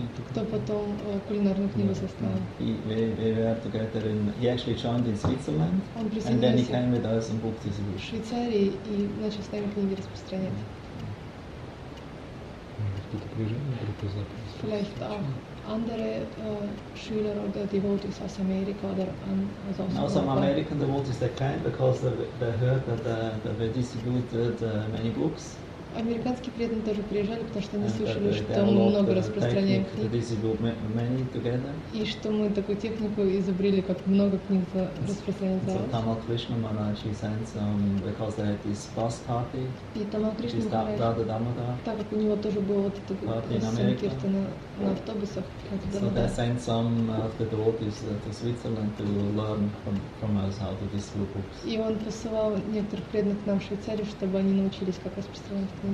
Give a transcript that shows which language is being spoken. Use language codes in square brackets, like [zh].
[ru] Кто потом кулинарную книгу составил. [en] We were together in... He actually joined in Switzerland. [ru] Он присоединился. [en] And then he came with us and booked his book. [ru] В Швейцарии и начал с нами книги распространять. Кто-то приезжал на группу запрос? [de] Vielleicht auch. Andere Schüler oder Devotees aus Amerika oder aus Europa. [en] Now some American devotees they came because they heard that they distributed many books. [ru] Американские преданные тоже приезжали, потому что они слышали, что мы много распространяем книг. И что мы такую технику изобрели, как много книг распространяем. [en] So Tamal Krishna Maharaj sent some because they had this bus party. [ru] И Tamal Krishna Maharaj, так как у него тоже было вот это Санкиртана на автобусах. [en] So they sent some of the devotees to Switzerland to learn from us how to distribute books. [ru] И он посылал некоторых преданных к нам в Швейцарию, чтобы они научились, как распространять.